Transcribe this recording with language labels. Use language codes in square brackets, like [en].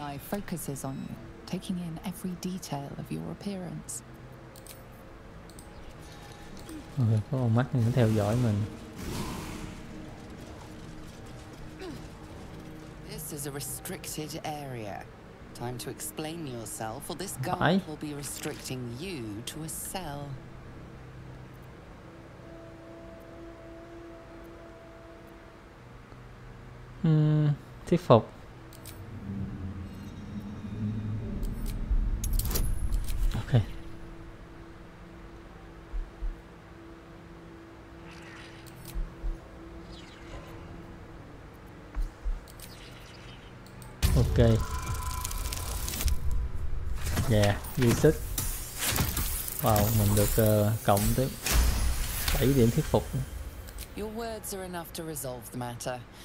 [en] Focuses on you, taking in every detail of your appearance. [vi] Okay, có con mắt nó theo dõi mình. [en] This is a restricted area. Time to explain yourself, or this guard will be restricting you to a cell. [vi] Thuyết phục. Ok. Yeah, dư sức. Wow, mình được cộng tới 7 điểm thuyết phục. [en] Your words are enough to resolve the matter.